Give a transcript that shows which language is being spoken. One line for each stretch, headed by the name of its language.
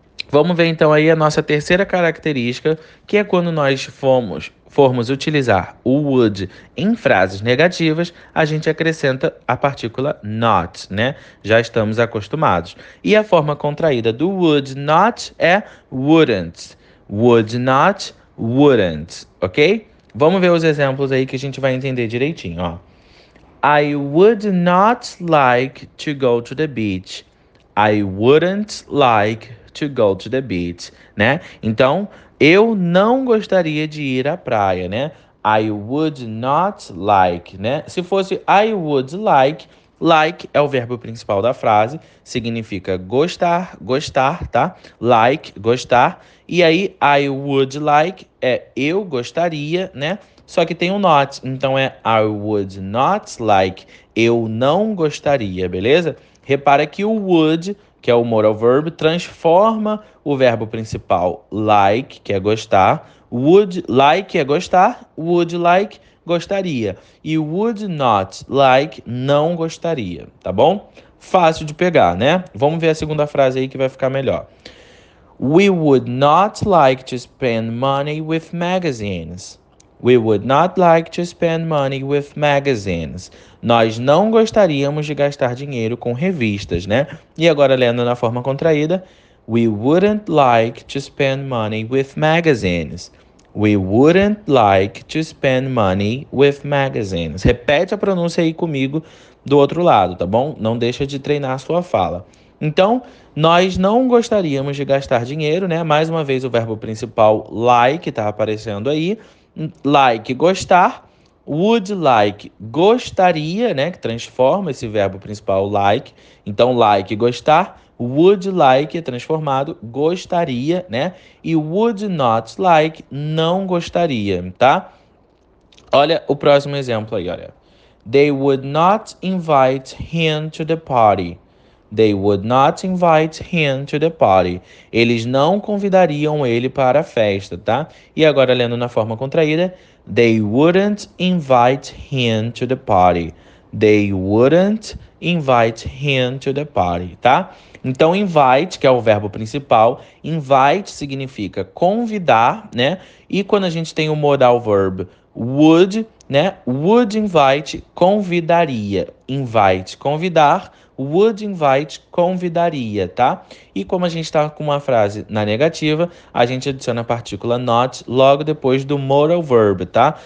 Portuguese: Vamos ver então aí a nossa terceira característica, que é quando nós formos utilizar o would em frases negativas, a gente acrescenta a partícula not, né? Já estamos acostumados. E a forma contraída do would not é wouldn't.
English: Would not, wouldn't, ok?
Portuguese: Vamos ver os exemplos aí que a gente vai entender direitinho, ó.
English: I would not like to go to the beach. I wouldn't like to go to the beach, né?
Portuguese: Então, eu não gostaria de ir à praia, né?
English: I would not like,
Portuguese: né? Se fosse I would like é o verbo principal da frase, significa gostar, gostar, tá? Like, gostar. E aí,
English: I would like
Portuguese: é eu gostaria, né? Só que tem o not. Então é
English: I would not like.
Portuguese: Eu não gostaria, beleza? Repara que o would, que é o modal verb, transforma o verbo principal like, que é gostar. Would like é gostar. Would like, gostaria. E would not like, não gostaria. Tá bom? Fácil de pegar, né? Vamos ver a segunda frase aí que vai ficar melhor.
English: We would not like to spend money with magazines. We would not like to spend money with magazines.
Portuguese: Nós não gostaríamos de gastar dinheiro com revistas, né? E agora lendo na forma contraída,
English: we wouldn't like to spend money with magazines. We wouldn't like to spend money with magazines.
Portuguese: Repete a pronúncia aí comigo do outro lado, tá bom? Não deixa de treinar a sua fala. Então, nós não gostaríamos de gastar dinheiro, né? Mais uma vez o verbo principal like está aparecendo aí. Like, gostar. Would like, gostaria, né? Que transforma esse verbo principal like. Então, like, gostar. Would like é transformado, gostaria, né? E would not like, não gostaria, tá? Olha o próximo exemplo aí, olha.
English: They would not invite him to the party. They would not invite him to the party.
Portuguese: Eles não convidariam ele para a festa, tá? E agora, lendo na forma contraída,
English: they wouldn't invite him to the party. They wouldn't invite him to the party, tá?
Portuguese: Então, invite, que é o verbo principal, invite significa convidar, né? E quando a gente tem o modal verb would, né? Would invite, convidaria. Invite, convidar. Would invite, convidaria, tá? E como a gente está com uma frase na negativa, a gente adiciona a partícula not logo depois do modal verb, tá?